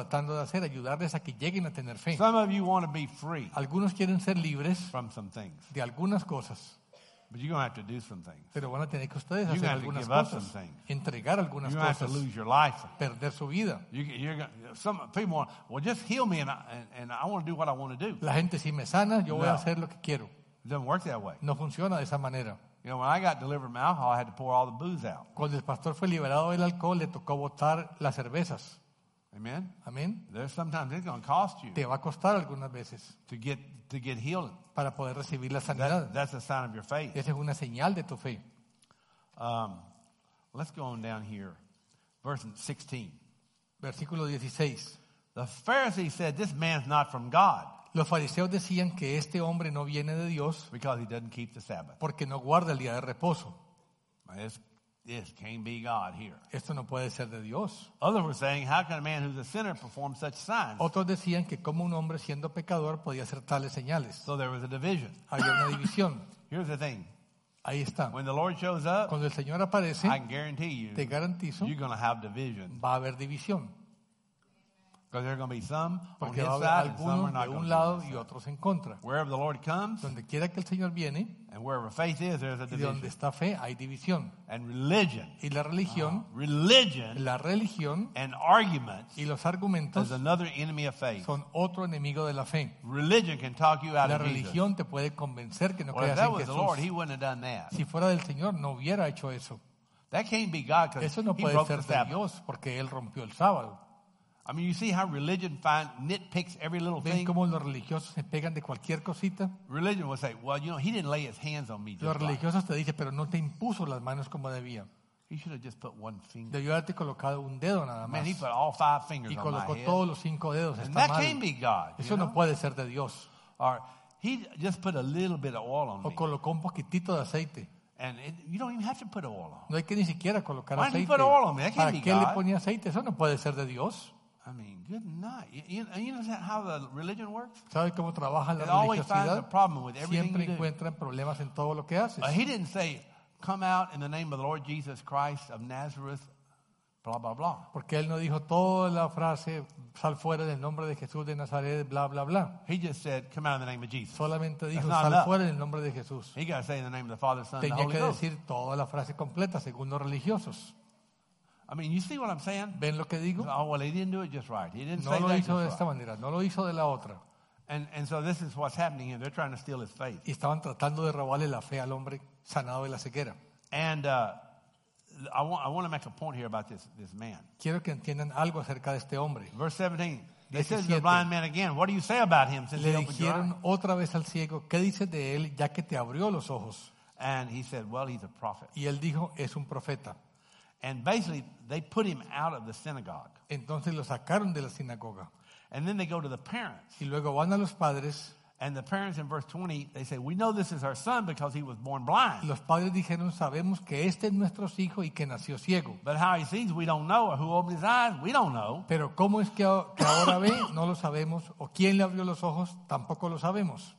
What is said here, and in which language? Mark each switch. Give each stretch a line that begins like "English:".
Spanish: Tratando de hacer, ayudarles a que lleguen a tener fe.
English: Some of you want to be free.
Spanish: Algunos quieren ser libres
English: from some things.
Spanish: De algunas cosas.
English: But you're going to have to do some things.
Spanish: Pero van a tener que ustedes
English: you're
Spanish: hacer
English: have
Spanish: algunas
English: to give
Spanish: cosas,
English: up some things.
Spanish: Entregar algunas
English: you're
Spanish: cosas.
English: You have to lose your life.
Spanish: Perder su vida.
English: Some people want, well, just heal me and I want to do what I want to do.
Spanish: La gente si me sana, yo voy a hacer lo que quiero.
English: It doesn't work that way.
Spanish: No funciona de esa manera.
English: You know, when I got delivered from alcohol, I had to pour all the booze out.
Spanish: Cuando el pastor fue liberado del alcohol, le tocó botar las cervezas. Amen. Amen.
English: There's sometimes it's going to cost you.
Spanish: Te va a costar algunas veces.
English: To get healed.
Spanish: Para poder recibir la sanidad.
English: That's a sign of your faith.
Spanish: Esa es una señal de tu fe.
English: Let's go on down here, verse 16.
Spanish: Versículo 16.
English: The Pharisees said, "This man's not from God."
Spanish: Los fariseos decían que este hombre no viene de Dios
English: because he doesn't keep the Sabbath.
Spanish: Porque no guarda el día de reposo.
English: This can't be God here.
Spanish: Esto no puede ser de Dios.
English: Others were saying, "How can a man who's a sinner perform such signs?"
Spanish: Otros decían que como un hombre siendo pecador podía hacer tales señales.
English: So there was a division.
Spanish: Había una división.
English: Here's the thing.
Spanish: Ahí está.
English: When the Lord shows up,
Spanish: cuando el Señor aparece,
English: I guarantee you,
Spanish: te garantizo,
English: you're going to have division.
Spanish: Va a haber división.
English: Because there are going to be some
Spanish: porque
English: on his side and some are not going to be on his side. Wherever the Lord comes,
Spanish: donde quiera que el Señor viene,
English: and wherever faith is, there's a division.
Spanish: Y donde está fe, hay división.
English: And religion,
Spanish: y la religión,
English: religion,
Spanish: la religión,
English: and arguments,
Spanish: y los argumentos,
English: is another enemy of faith.
Spanish: Son otro enemigo de la fe.
English: Religion can talk you out of Jesus.
Spanish: La religión te puede convencer que no creas en
English: Jesús. Well, if that was the Lord, he wouldn't have done that.
Spanish: Si fuera del Señor, no hubiera hecho eso.
English: That can't be God because
Spanish: eso no puede ser de Dios porque él rompió el sábado.
English: I mean, you see how religion nitpicks every little thing.
Spanish: ¿Ven cómo los religiosos se pegan de cualquier cosita?
English: Religion will say, "Well, you know, he didn't lay his hands on me."
Spanish: Los religiosos te dicen, pero no te impuso las manos como debía.
English: He should have just put one finger.
Spanish: Debió haberte colocado un dedo nada más.
English: Man, he put all five fingers
Spanish: y colocó
English: on my
Spanish: todos
English: head.
Spanish: Los cinco dedos.
English: And
Spanish: está
English: that
Spanish: mal.
English: Can't be God.
Spanish: Eso no puede ser de Dios.
English: Or he just put a little bit of oil on
Spanish: o colocó
English: me.
Spanish: Un poquitito de aceite.
English: And you don't even have to put oil on.
Spanish: No hay que ni siquiera colocar
English: Why
Spanish: aceite.
English: Why didn't he put oil on me? That can't
Spanish: ¿Para
English: be
Spanish: qué
English: God?
Spanish: Le ponía aceite? Eso no puede ser de Dios.
English: I mean, good night. You know how the religion works?
Spanish: ¿Sabes cómo trabaja la religiosidad? Siempre encuentran problemas en todo lo que haces.
English: He didn't say, "Come out in the name of the Lord Jesus Christ of Nazareth." Blah blah blah.
Spanish: Porque él no dijo toda la frase, sal fuera en el nombre de Jesús de Nazaret, blah blah blah.
English: He just said, "Come out in the name of Jesus."
Spanish: Solamente dijo, sal fuera en el nombre de Jesús.
English: He got to say in the name of the Father, Son, and the Holy Ghost.
Spanish: Tenía que decir toda la frase completa según los religiosos.
English: I mean, you see what I'm saying?
Spanish: ¿Ven lo que digo?
English: Oh, well, he didn't do it just right. He didn't
Spanish: no
English: say that
Spanish: No lo hizo
English: just
Spanish: de esta
English: right.
Spanish: manera. No lo hizo de la otra.
English: And so this is what's happening here. They're trying to steal his faith.
Spanish: Y estaban tratando de robarle la fe al hombre sanado de la ceguera.
English: And I want to make a point here about this man.
Spanish: Quiero que entiendan algo acerca de este hombre.
English: Verse 17. They said to the blind man again, "What do you say about him since
Spanish: le
English: he opened your eyes?"
Spanish: Le dijeron otra vez al ciego, "¿Qué dices de él ya que te abrió los ojos?"
English: And he said, "Well, he's a prophet."
Spanish: Y él dijo, "Es un profeta."
English: And basically, they put him out of the synagogue.
Spanish: Entonces lo sacaron de la sinagoga.
English: And then they go to the parents.
Spanish: Y luego van a los padres.
English: And the parents in verse 20, they say, "We know this is our son because he was born blind."
Spanish: Los padres dijeron, sabemos que este es nuestro hijo y que nació ciego.
English: But how he sees, we don't know. Or who opened his eyes, we don't know.
Spanish: Pero cómo es que ahora ve, no lo sabemos. O quién le abrió los ojos, tampoco lo sabemos.